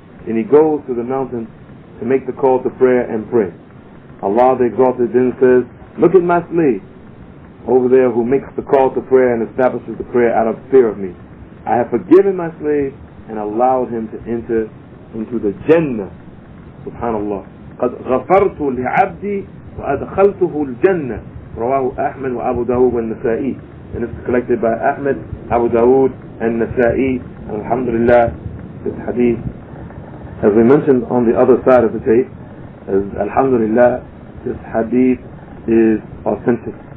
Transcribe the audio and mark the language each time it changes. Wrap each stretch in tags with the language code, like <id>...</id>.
<en>And he goes to the mountain to make the call to prayer and pray. Allah the Exalted then says, look at my slave over there who makes the call to prayer and establishes the prayer out of fear of me. I have forgiven my slave and allowed him to enter into the Jannah. Subhanallah.</en> <ar>قَدْ غَفَرْتُ لِعَبْدِي وَأَدْخَلْتُهُ الْجَنَّةِ رواه أحمد وأبو داود والنسائي.</ar> <en>And it's collected by Ahmed, Abu Dawood, and Nasa'i. And alhamdulillah, this hadith, as we mentioned on the other side of the tape, is alhamdulillah, this hadith is authentic.</en>